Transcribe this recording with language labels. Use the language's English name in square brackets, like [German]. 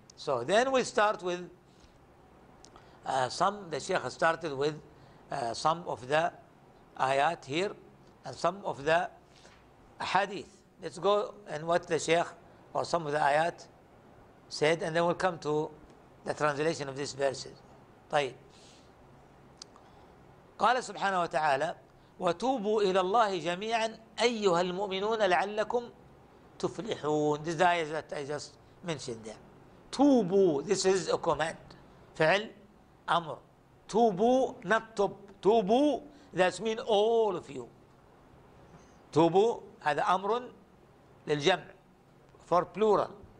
[English] So then we start with the Shaykh started with some of the ayat here and some of the hadith. Let's go and what the Shaykh or some of the ayat said, and then we'll come to the translation of these verses. [Arabic] طيب. قال سبحانه وتعالى وتوبوا إلى الله جميعا أيها المؤمنون لعلكم تفلحون. [English] This is the ayat that I just mentioned there. توبوا, this is a command. [Arabic] فعل أمر. [English] توبوا, not توب. توبوا, that means all of you. [Arabic] توبوا, هذا أمر للجمع. [English] For plural.